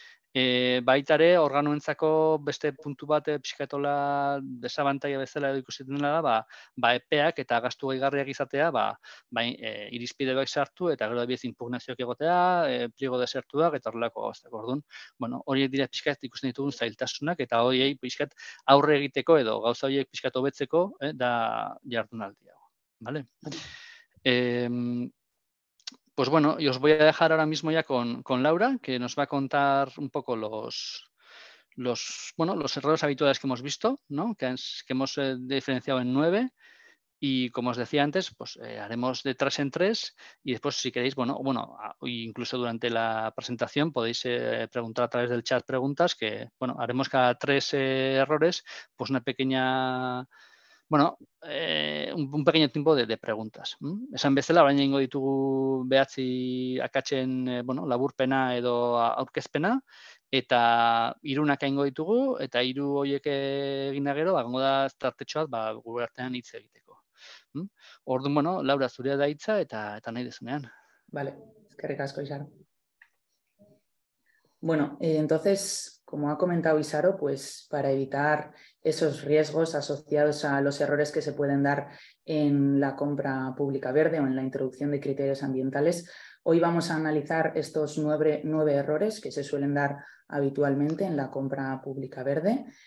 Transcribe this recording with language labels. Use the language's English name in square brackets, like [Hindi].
[Basque] Baita ere, organoentzako beste puntu bat pixkatola desabantaia bezala edo ikusten dela da, epeak eta gastu gehigarriak izatea, irizpide bat sartu eta gero abiez impugnazioak egotea, pliego desertuak eta horrelako gauzak. Orduan, horiek dira pixkat ikusten ditugun zailtasunak eta horiei pixkat aurre egiteko edo gauza horiek pixkat hobetzeko da jardunaldia. [Spanish] Vale? Pues bueno, y os voy a dejar ahora mismo ya con Laura, que nos va a contar un poco los errores habituales que hemos visto, ¿no?, que hemos diferenciado en 9. Y como os decía antes, pues haremos de 3 en 3 y después, si queréis, incluso durante la presentación podéis preguntar a través del chat preguntas que, haremos cada 3 errores, pues una pequeña... un pequeño tiempo de preguntas. [Basque] Esan bezala, orain egingo ditugu 9 akatzen, laburpena edo aurkezpena, eta 3 egingo ditugu, eta 3 horiek egina gero, egongo da tartetxo bat, gure artean hitz egiteko. Orduan, Laura, zurea da hitza, eta nahi dezunean. Vale, eskerrik asko, Isaro. [Spanish] Entonces, como ha comentado Isaro, pues para evitar esos riesgos asociados a los errores que se pueden dar en la compra pública verde o en la introducción de criterios ambientales, hoy vamos a analizar estos 9 errores que se suelen dar habitualmente en la compra pública verde.